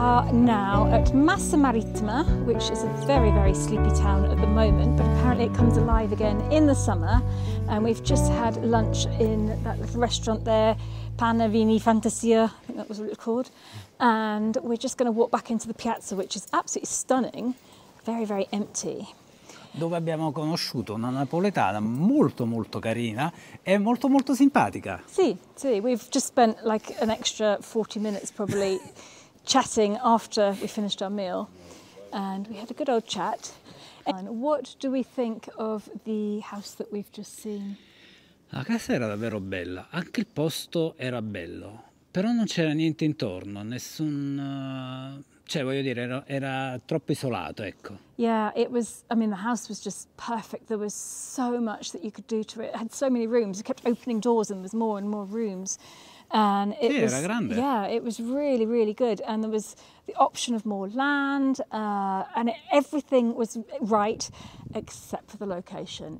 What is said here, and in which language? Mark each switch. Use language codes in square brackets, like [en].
[en] Now at Massa Marittima, which is a very, very sleepy town at the moment, but apparently it comes alive again in the summer. And we've just had lunch in that little restaurant there, Panavini Fantasia, I think that was what it was called. And we're just going to walk back into the piazza, which is absolutely stunning, very, very empty. [it] Dove abbiamo conosciuto una napoletana molto molto carina e molto molto simpatica. [en] Sì, we've just spent like an extra 40 minutes probably chatting after we finished our meal, and we had a good old chat. And what do we think of the house that we've just seen? [it] La casa era davvero bella, anche il posto era bello, però non c'era niente intorno, nessun cioè voglio dire era troppo isolato, ecco. [en] Yeah, it was, I mean, the house was just perfect. There was so much that you could do to it. It had so many rooms, it kept opening doors and there's more and more rooms. And it [it] sì, [en] was, [it] era grande. [en] Yeah, it was really, really good. And there was the option of more land, and everything was right except for the location.